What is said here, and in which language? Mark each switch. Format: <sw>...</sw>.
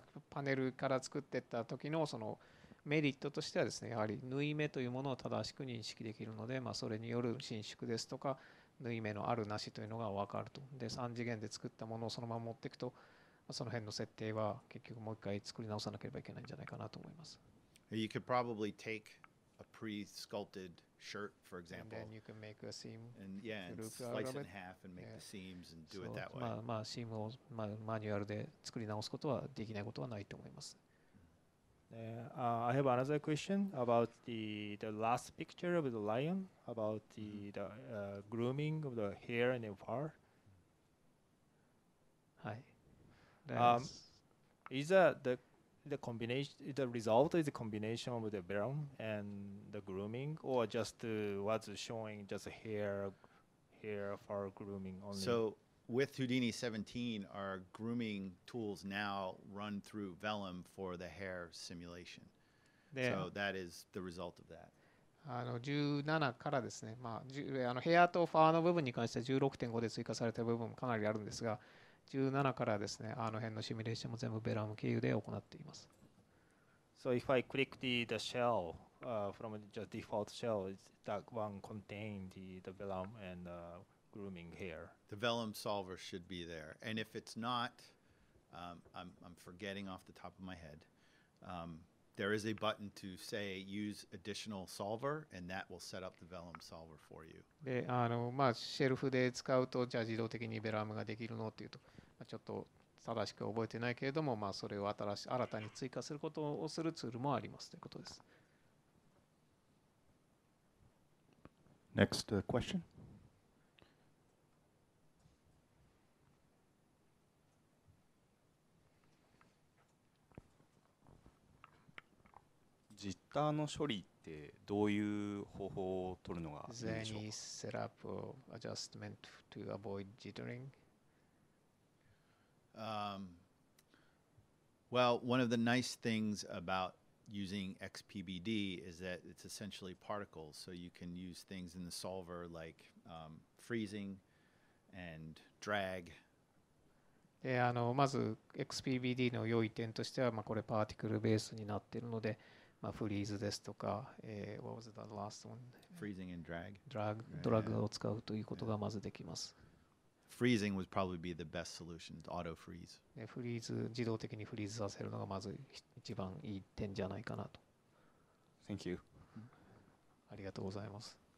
<ja>パネルから作ってた時のそのメリットとしてはですね、やはり縫い目というものを正しく認識できるので、それによる伸縮ですとか、縫い目のあるなしというのが分かると。で、3次元で作ったものをそのまま持っていくと、その辺の設定は結局もう一回作り直さなければいけないんじゃないかなと思います。</ja> <en>You could probably take a pre-sculpted shirt, for example. And then you can make a seam. And yeah, and slice it in half and make the seams and do it that way.</en> <ja>シームをマニュアルで作り直すことはできないことはないと思います。</ja> <en>I have another question about the last picture of the lion, about the grooming of the hair and the fur. Hi. Is that the combination, the result is a combination of the vellum and the grooming, or just what's showing just a hair, fur grooming only? So with Houdini 17, our grooming tools now run through Vellum for the hair simulation. So that is the result of that.</en> <ja>17からですね、ヘアとファーの部分に関しては 16.5 で追加された部分もかなりあるんですが、17からですね、あの辺のシミュレーションも全部ベラム経由で行っています。</ja> <en>So if I click the shell, from the default shell, that one contains the Vellum and grooming hair. The vellum solver should be there. And if it's not, I'm forgetting off the top of my head, there is a button to say use additional solver, and that will set up the vellum solver for you.</en> <ja>で、シェルフで使うと、じゃあ自動的にベラムができるのっていうと、ちょっと正しく覚えてないけれども、まあ、それを新たに追加することをするツールもありますということです。</ja> <en>Next question.</en> <ja>ジッターの処理ってどういう方法を取るのがいいでしょうか。</ja> <en>Is there any setup or adjustment to avoid jittering? Well, one of the nice things about using XPBD is that it's essentially particles, so you can use things in the solver like freezing and drag.</en> <ja>まず XPBD の良い点としては、まあ、これパーティクルベースになっているので、まあ、フリーズですとか、</ja> <en>what was the last one? Freezing and drag.</en> <ja>Drag を使うということがまずできます。</ja> <en>Freezing would probably be the best solution, auto freeze.</en> <ja>ね、フリーズ、自動的にフリーズさせるのがまず一番いい点じゃないかなと。</ja> <en>Thank you.</en> <ja>ありがとうございます。</ja>